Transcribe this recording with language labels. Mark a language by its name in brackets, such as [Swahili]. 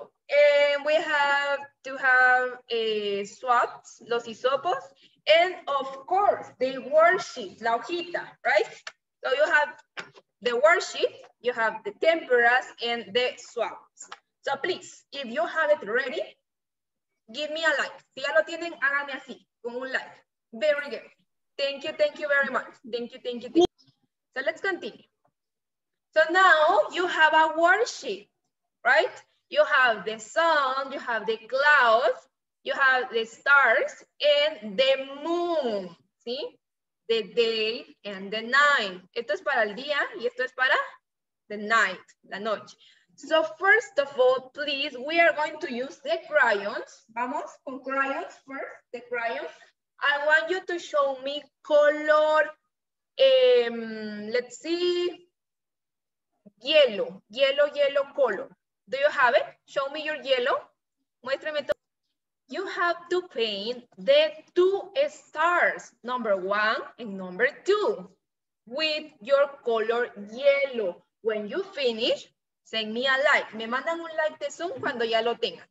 [English] And we have to have swabs, [Spanish] los hisopos, [English] and of course, the worksheet, [Spanish] la hojita, [English] right? So you have the worksheet, you have the temperas, and the swabs. So please, if you have it ready, give me a like. [Spanish] Si ya lo tienen, háganme así, con un like. [English] Very good. Thank you very much. Thank you. So let's continue. So now you have a worksheet, right? You have the sun, you have the clouds, you have the stars and the moon, ¿sí? The day and the night. [Spanish] Esto es para el día y esto es para [English] the night, [Spanish] la noche. [English] So first of all, please, we are going to use the crayons. [Spanish] Vamos con [English] crayons first, the crayons. I want you to show me color. Let's see, yellow color. Do you have it? Show me your yellow. [Spanish] Muéstrame todo. [English] You have to paint the two stars, number one and number two, with your color yellow. When you finish, send me a like. [Spanish] Me mandan un like de Zoom cuando ya lo tenga.